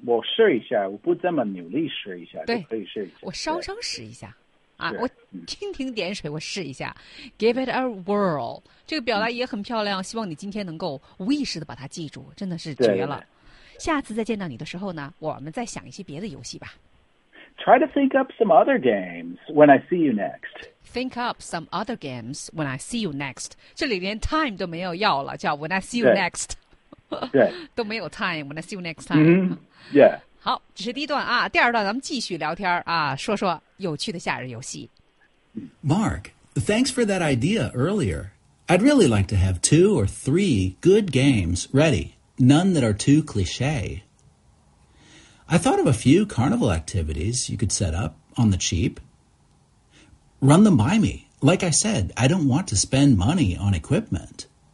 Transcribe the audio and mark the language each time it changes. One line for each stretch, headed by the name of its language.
Chinese: 我试一下，我不这么努力试一下，对，可以试一下。我稍稍试一下、啊、我蜻蜓点水，我试一下
English: give it a whirl.
Chinese: 这个表达也很漂亮、希望你今天能够无意识地把它记住，真的是绝了。对。下次再见到你的时候呢，我们再想一些别的游戏吧。
English: Try to think up some other games when I see you next. Think up some other games when I see you next.
Chinese: 这里连 time 都没有要了，叫
English: when I see you next.
Chinese: 对，都没有 time
English: when I see you next time.、 Mm-hmm. Yeah.
Chinese: 好，这是第一段啊。第二段咱们继续聊天啊，说说有趣的夏日游戏。
English: Mark, thanks for that idea earlier. I'd really like to have 2 or 3 good games ready, none that are too cliche. I thought of a few carnival activities you could set up on the cheap. Run them by me. Like I said, I don't want to spend money on equipment.